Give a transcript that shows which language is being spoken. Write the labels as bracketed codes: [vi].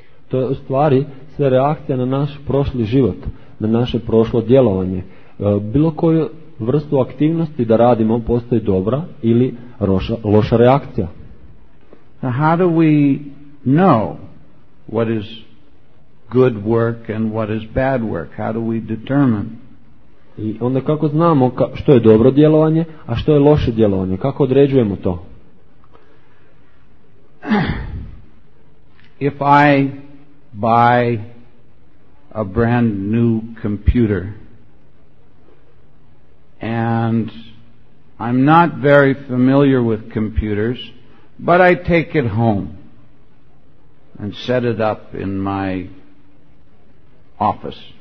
[hr] To je u stvari sve reakcija na naš prošli život, na naše prošlo djelovanje. Bilo koju vrstu aktivnosti da radimo, postoji dobra ili loša reakcija. [en] Now how do we know what is good work and what is bad work? How do we determine? [hr] I onda kako znamo što je dobro djelovanje, a što je loše djelovanje? Kako određujemo to? [en] If I buy a brand new computer and I'm not very familiar with computers, but I take it home and set it up in my office.